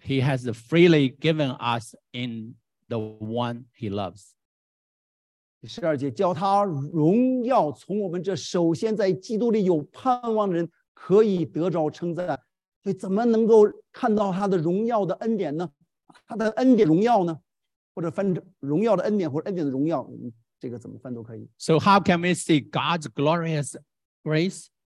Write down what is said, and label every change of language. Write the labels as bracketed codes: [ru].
[en] He has freely given us in the one he loves. [zh] 第十二节，叫他荣耀从我们这首先在基督里有盼望的人可以得着称赞。所以怎么能够看到他的荣耀的恩典呢？他的恩典荣耀呢？或者翻荣耀的恩典或者恩典的荣耀，这个怎么翻都可以。 [en] So how can we see God's glorious grace?